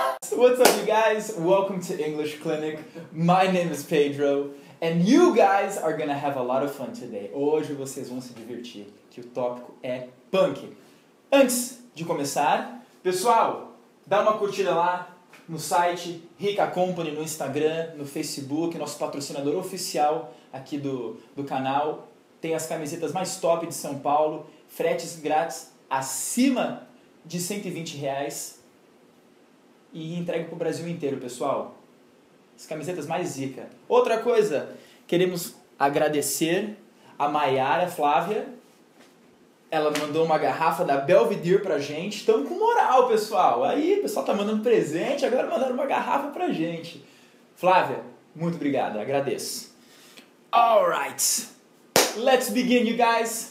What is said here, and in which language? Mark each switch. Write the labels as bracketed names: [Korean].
[English] What's up, you guys? Welcome to English Clinic. My name is Pedro. And you guys are gonna have a lot of fun today. [Portuguese] Hoje vocês vão se divertir, que o tópico é punk. Antes de começar, pessoal, dá uma curtida lá no site Rica Company, no Instagram, no Facebook, nosso patrocinador oficial aqui do canal. Tem as camisetas mais top de São Paulo, fretes grátis acima de R$120 e entrega pro Brasil inteiro, pessoal. As camisetas mais zica. Outra coisa, queremos agradecer a Mayara Flávia. Ela mandou uma garrafa da Belvedere pra gente. Tamo com moral, pessoal. Aí, o pessoal tá mandando presente, agora mandaram uma garrafa pra gente. Flávia, muito obrigado, agradeço. [English] Alright, let's begin, you guys.